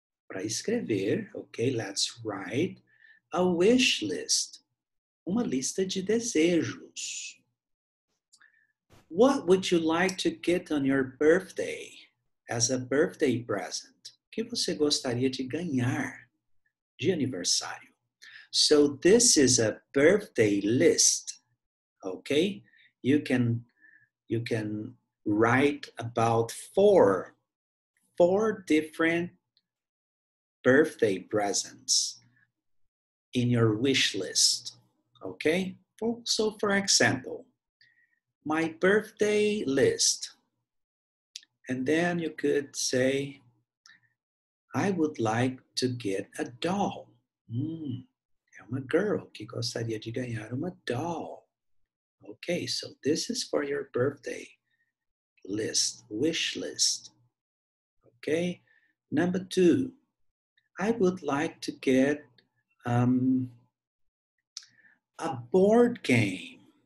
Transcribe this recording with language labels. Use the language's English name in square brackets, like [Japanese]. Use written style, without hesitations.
[Portuguese] Para escrever, [English] okay, let's write a wish list. [Portuguese] Uma lista de desejos. [English] What would you like to get on your birthday as a birthday present? [Portuguese] O que você gostaria de ganhar de aniversário? [English] So this is a birthday list, okay? You can write about four different birthday presents in your wish list, okay? So for example, my birthday list. And then you could say, I would like to get a doll. [Portuguese] É uma girl que gostaria de ganhar uma doll. [English] Okay, so this is for your birthday list, wish list. Okay, number two, I would like to get a board game.